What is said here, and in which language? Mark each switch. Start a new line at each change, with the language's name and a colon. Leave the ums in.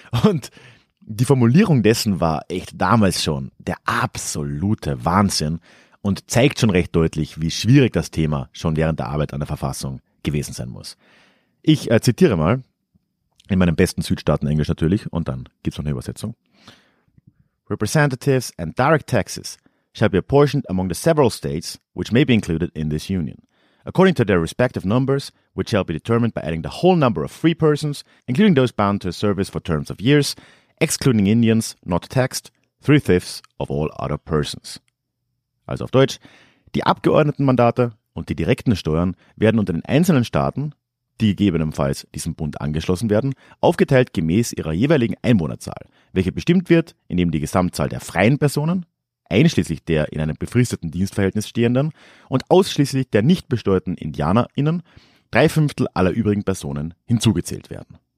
German: Und die Formulierung dessen war echt damals schon der absolute Wahnsinn. und zeigt schon recht deutlich, wie schwierig das Thema schon während der Arbeit an der Verfassung gewesen sein muss. Ich äh, zitiere mal, in meinem besten Südstaaten-Englisch natürlich, und dann gibt's noch eine Übersetzung.
English: Representatives and direct taxes shall be apportioned among the several states which may be included in this union, according to their respective numbers, which shall be determined by adding the whole number of free persons, including those bound to service for terms of years, excluding Indians not taxed, three fifths of all other persons.
German: Also auf Deutsch, die Abgeordnetenmandate und die direkten Steuern werden unter den einzelnen Staaten, die gegebenenfalls diesem Bund angeschlossen werden, aufgeteilt gemäß ihrer jeweiligen Einwohnerzahl, welche bestimmt wird, indem die Gesamtzahl der freien Personen, einschließlich der in einem befristeten Dienstverhältnis stehenden und ausschließlich der nicht besteuerten IndianerInnen, drei Fünftel aller übrigen Personen hinzugezählt werden.